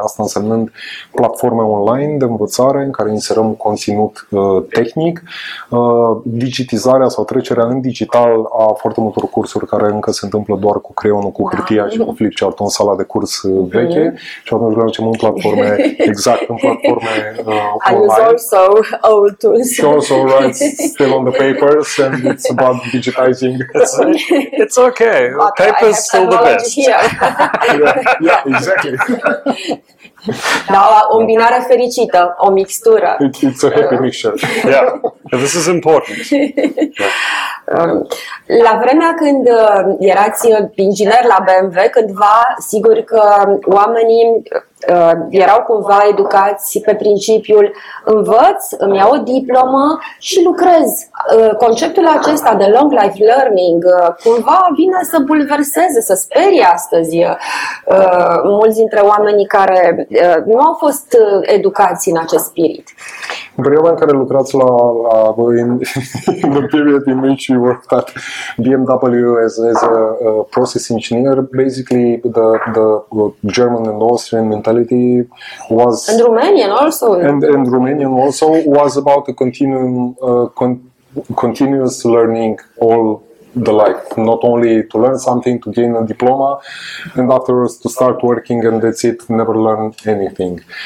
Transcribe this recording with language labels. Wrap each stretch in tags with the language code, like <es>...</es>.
<ro>Asta însemnând platforme online de învățare în care inserăm conținut tehnic, digitizarea sau trecerea în digital a foarte multor cursuri care încă se întâmplă doar cu creionul, cu hârtia și cu flipchart-ul în sala de curs veche. Și atunci le facem în platforme, exact, în platforme online.</ro> <en>And it's also old tools. She also writes still on the papers and it's about digitizing. It's okay. Paper's still the best. yeah, exactly.</en> <ro>Da, o îmbinare fericită, o mixtură.</ro> <en>It's a happy mixture. Yeah, this is important.</en> <ro>La vremea când erați inginer la BMW, cândva, sigur că oamenii erau cumva educați pe principiul învăț, îmi iau o diplomă și lucrez. Conceptul acesta de long life learning cumva vine să bulverseze, să sperie astăzi mulți dintre oamenii care nu au fost educați în acest spirit. În perioada în care lucrați la</ro> <en>in the period in which you worked at BMW as a process engineer, basically the German and Austrian mentality was and Romanian also and Romanian also was about a continuous learning all the life, not only to learn something, to gain a diploma, and afterwards to start working, and that's it, never learn anything.</en>